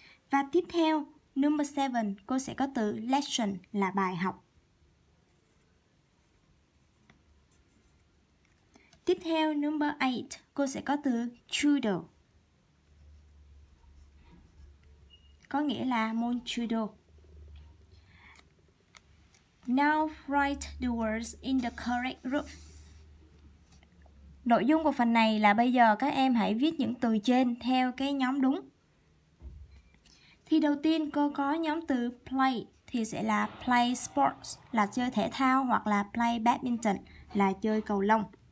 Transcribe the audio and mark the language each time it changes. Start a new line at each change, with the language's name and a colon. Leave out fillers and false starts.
Vietnamese: Và tiếp theo, number 7, cô sẽ có từ lesson là bài học. Tiếp theo, number 8, cô sẽ có từ judo, có nghĩa là môn judo.
English: Now write the words in the correct group.
Vietnamese: Nội dung của phần này là bây giờ các em hãy viết những từ trên theo cái nhóm đúng. Thì đầu tiên cô có nhóm từ play thì sẽ là play sports là chơi thể thao, hoặc là play badminton là chơi cầu lông.